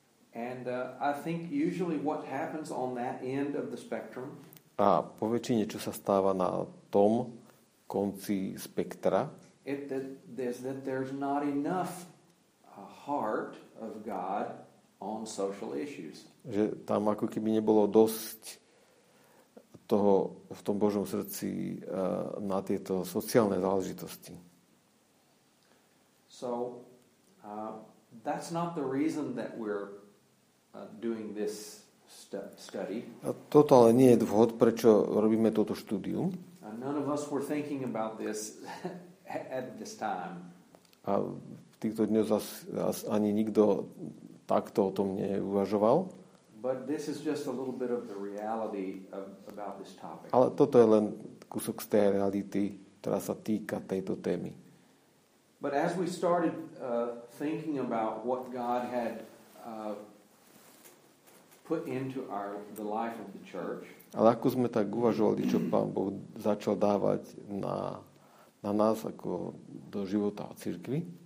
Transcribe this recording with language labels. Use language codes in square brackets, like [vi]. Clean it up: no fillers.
[en] I think usually what happens on that end of the spectrum. [sk] A po väčšine, čo sa stáva na tom konci spektra. [en] There's not enough heart of God on social issues. [sk] Že tam ako keby nebolo dosť toho v tom Božom srdci na tieto sociálne záležitosti. [en] So that's not the reason that we're doing this study. [sk] Toto ale nie je dôvod, prečo robíme toto štúdium. [en] None of us were thinking about this at this time. [sk] A v týchto dňoch zas ani nikto takto o tom neuvažoval. [en] But this is just a little bit of the reality of, about this topic. [sk] Ale toto je len kúsok z tej reality, ktorá sa týka tejto témy. [en] But as we started thinking about what God had put into our the life of the church. [sk] Ale ako sme tak uvažovali, čo Pán Boh začal dávať na nás ako do života cirkvi.